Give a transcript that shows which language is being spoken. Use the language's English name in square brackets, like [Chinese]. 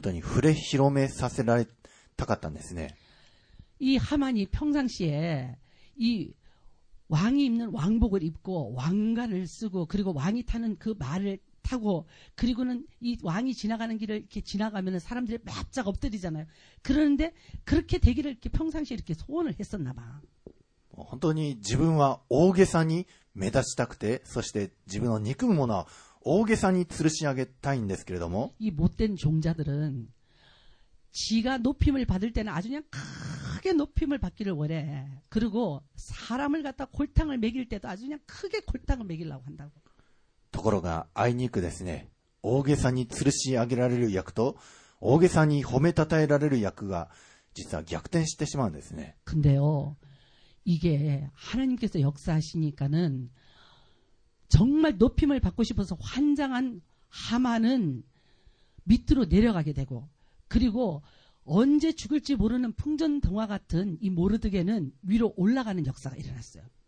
[Japanese] 彼は王服を着て王の乗ったあの馬憧れのあの馬に乗ってそれで人々に触れ広めさせられたかったんですね。 [Korean] 이 하만이 평상시에 이 왕이 입는 왕복을 입고 왕관을 쓰고 그리고 왕이 타는 그 말을 타고 그리고는 이 왕이 지나가는 길을 이렇게 지나가면 사람들이 바짝 엎드리잖아요. 그러는데 그렇게 되기를 이렇게 평상시에 이렇게 소원을 했었나 봐. [Japanese] 本当に 自分は大げさに 目立ちたくて そして 自分を憎むものは 大げさに 吊るし上げたいんですけれども。 [Korean] 이 못된 종자들은 지가 높임을 받을 때는 아주 그냥 크게 높임을 받기를 원해. 그리고 사람을 갖다 골탕을 먹일 때도 아주 그냥 크게 골탕을 먹이려고 한다고. [Japanese] ところがあいにくですね。大げさに吊るし上げられる役と大げさに褒めたたえられる役が実は逆転してしまうんですね。 [Korean] 근데요이게하나님께서역사하시니까는정말높임을받고싶어서환장한하만은밑으로내려가게되고그리고언제죽을지모르는풍전등화같은이모르드게는위로올라가는역사가일어났어요